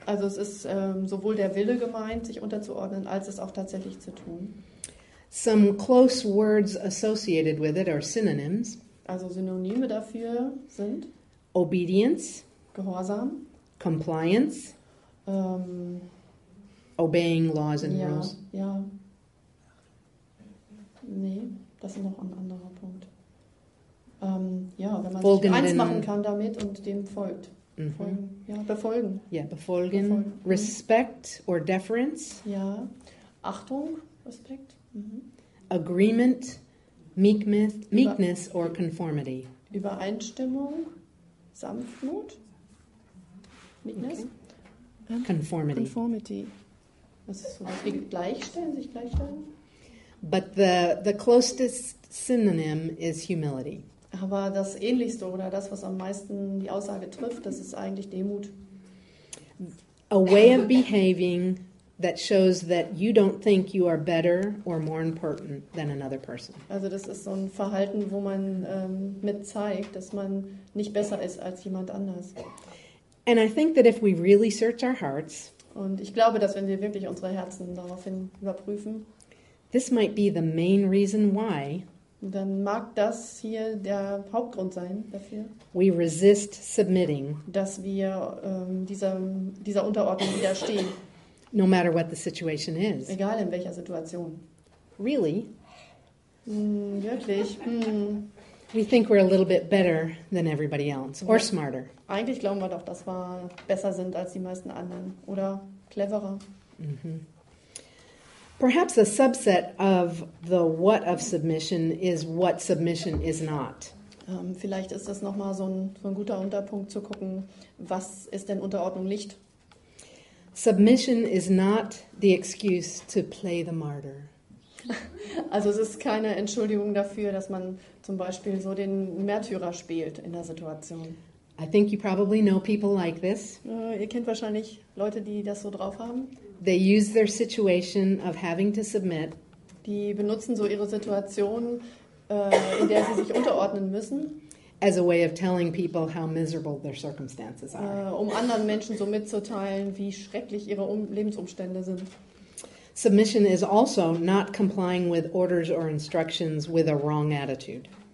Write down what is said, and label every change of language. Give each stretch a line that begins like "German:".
German: Also es ist sowohl der Wille gemeint, sich unterzuordnen, als es auch tatsächlich zu tun.
English: Some close words associated with it are synonyms.
German: Also Synonyme dafür sind
English: obedience,
German: Gehorsam,
English: compliance, obeying laws and
German: ja,
English: rules.
German: Ja. Nee, das ist noch ein anderer Punkt. Ja, wenn man folgen sich eins machen kann damit und dem folgt. Mm-hmm. Folgen. Ja, befolgen. Ja, befolgen. Befolgen.
English: Respect or deference.
German: Ja, Achtung, Respekt.
English: Mhm. Agreement, meekness or conformity.
German: Übereinstimmung, Sanftmut, meekness.
English: Okay. Conformity. Conformity.
German: Das ist so was wie gleichstellen, sich gleichstellen.
English: But the closest synonym is humility.
German: Aber das Ähnlichste oder das, was am meisten die Aussage trifft, das ist eigentlich Demut.
English: A way of behaving that shows that you don't think you are better or more important than another person.
German: Also das ist so ein Verhalten, wo man mit zeigt, dass man nicht besser ist als jemand anders.
English: And I think that if we really search our hearts,
German: und ich glaube, dass wenn wir wirklich unsere Herzen daraufhin überprüfen,
English: this might be the main reason why,
German: Dann mag das hier der Hauptgrund sein dafür.
English: We resist submitting.
German: Dass wir dieser Unterordnung widerstehen.
English: No matter what the situation is.
German: Egal in welcher Situation.
English: Really?
German: Wirklich?
English: We think we're a little bit better than everybody else or smarter.
German: Eigentlich glauben wir doch, dass wir besser sind als die meisten anderen oder cleverer. Mm-hmm.
English: Perhaps a subset of the what of submission is what submission is not.
German: Vielleicht ist das nochmal so ein guter Unterpunkt zu gucken, was ist denn Unterordnung nicht?
English: Submission is not the excuse to play the martyr.
German: Also es ist keine Entschuldigung dafür, dass man zum Beispiel so den Märtyrer spielt in der Situation.
English: I think you probably know people like this.
German: Ihr kennt wahrscheinlich Leute, die das so drauf haben.
English: They use their situation of having to submit.
German: Die benutzen so ihre Situation, in der sie sich unterordnen müssen.
English: As a way of telling people how miserable their circumstances are.
German: Um anderen Menschen so mitzuteilen, wie schrecklich ihre Lebensumstände sind.
English: Submission is also not complying with orders or instructions with a wrong attitude.